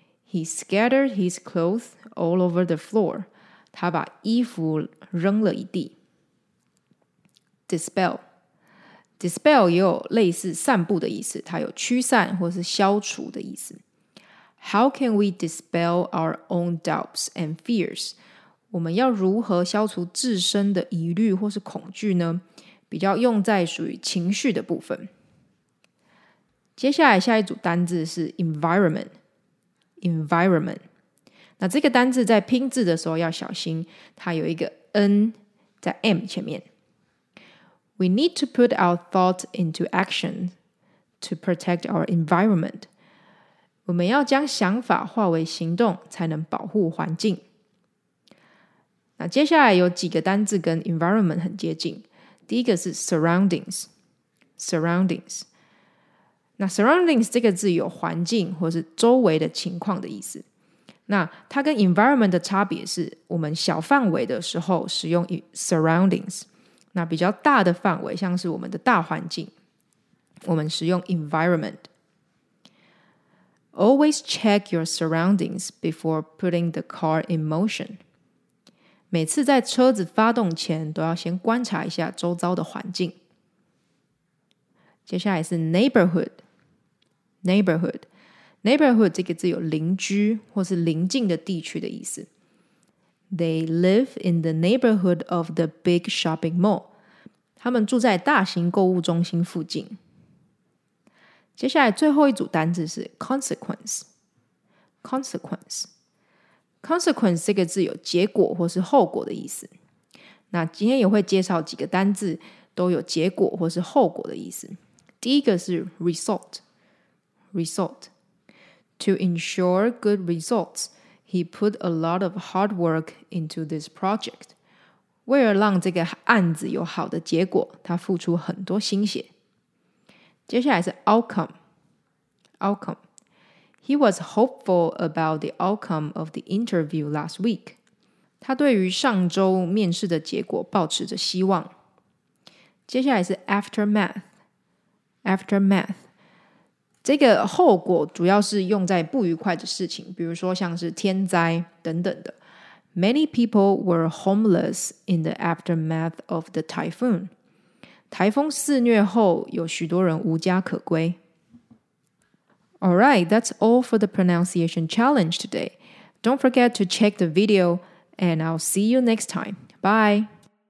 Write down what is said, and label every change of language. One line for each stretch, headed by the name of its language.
English: He scattered his clothes all over the floor.
Chinese: 他把衣服扔了一地。dispel。 dispel 也有类似散步的意思，它有驱散或是消除的意思。
English: How can we dispel our own doubts and fears?
Chinese: 我们要如何消除自身的疑虑或是恐惧呢？比较用在属于情绪的部分。接下来下一组单字是 environment。environment。那这个单字在拼字的时候要小心，它有一个 N 在 M 前面。
English: We need to put our thought into action to protect our environment.
Chinese: 我们要将想法化为行动，才能保护环境。那接下来有几个单字跟 environment 很接近，第一个是 surroundings， surroundings。那 surroundings 这个字有环境或是周围的情况的意思。那它跟 environment 的差别是，我们小范围的时候使用 surroundings， 那比较大的范围，像是我们的大环境，我们使用 environment。
English: Always check your surroundings before putting the car in motion.
Chinese: 每次在车子发动前都要先观察一下周遭的环境。接下来是 neighborhood。neighborhood。 neighborhood 这个字有邻居或是邻近的地区的意思。
English: They live in the neighborhood of the big shopping mall.
Chinese: 他们住在大型购物中心附近。接下来最后一组单字是 consequence。consequence。Consequence 这个字有结果或是后果的意思。那今天也会介绍几个单字都有结果或是后果的意思。第一个是
English: result To ensure good results, he put a lot of hard work into this project.
Chinese: 为了让这个案子有好的结果，他付出很多心血。接下来是 outcome.
English: He was hopeful about the outcome of the interview last week.
Chinese: 他对于上周面试的结果抱持着希望。接下来是 aftermath. 这个后果主要是用在不愉快的事情，比如说像是天灾等等的。
English: Many people were homeless in the aftermath of the typhoon.
Chinese: 台风肆虐后，有许多人无家可归。
English: All right, that's all for the pronunciation challenge today. Don't forget to check the video, and I'll see you next time. Bye!